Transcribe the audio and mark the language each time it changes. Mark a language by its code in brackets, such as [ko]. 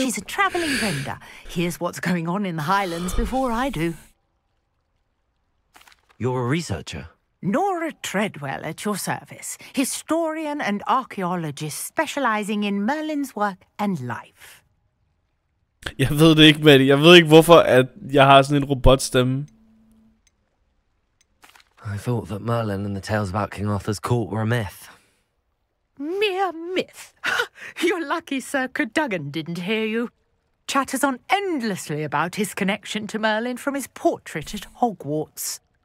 [en] She's a travelling vendor. Here's what's going on in the Highlands before I do. You're a researcher. Nora Treadwell at your service, historian and archaeologist specialising in Merlin's work and life. [da] Jeg ved det ikke, Maddie. Jeg ved ikke, hvorfor at jeg har sådan en robotstemme. [en] I thought that Merlin and the tales about King Arthur's court were a myth. Mere myth? You're lucky Sir Cadogan didn't hear you. Chatters on endlessly about his connection to Merlin from his portrait at Hogwarts.